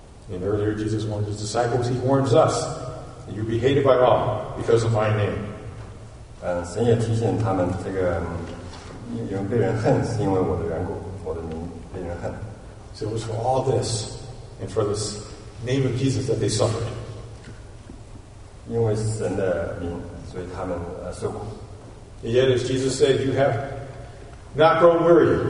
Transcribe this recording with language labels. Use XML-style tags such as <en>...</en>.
<en>And earlier, Jesus warned his disciples. He warns us, "You'll be hated by all because of my name."</en> <zh>神也提醒他们，这个有人被人恨，是因为我的缘故，我的名被人恨。</zh> <en>So it was for all this, and for this name of Jesus that they suffered.</en> <zh>因为神的名，所以他们受苦。</zh> <en>And yet, as Jesus said, "You have not grown weary.</en>